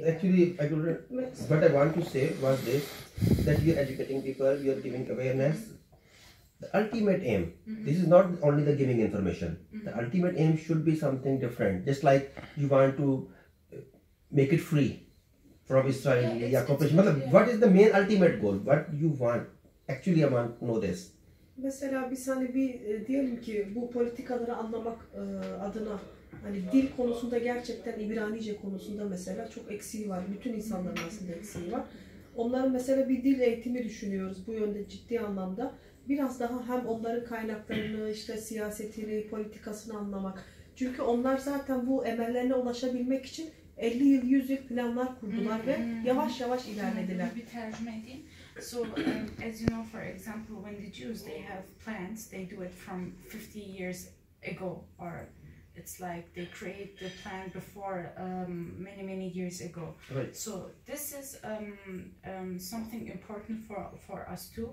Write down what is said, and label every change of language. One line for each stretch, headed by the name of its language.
English: No, actually, I could, what I want to say was this, that you're educating people, you're giving awareness. The ultimate aim, this is not only the giving information. The ultimate aim should be something different. Just like you want to make it free from Israel, what is the main ultimate goal? What you want? Actually, I want to know this.
Turkish: Mesela biz hani bir diyelim ki bu politikaları anlamak adına hani dil konusunda gerçekten İbranice konusunda mesela çok eksiği var. Bütün insanların aslında eksiği var. Onların mesela bir dil eğitimi düşünüyoruz bu yönde ciddi anlamda. Biraz daha hem onların kaynaklarını, işte siyasetini, politikasını anlamak. Çünkü onlar zaten bu emellerine ulaşabilmek için 50 yıl, 100 yıl planlar kurdular ve yavaş yavaş ilerlediler. Bir tercüme edeyim.
English: So, as you know, for example, when the Jews, they have plans, they do it from 50 years ago. Or it's like they create the plan before many, many years ago. Right. So, this is something important for us too.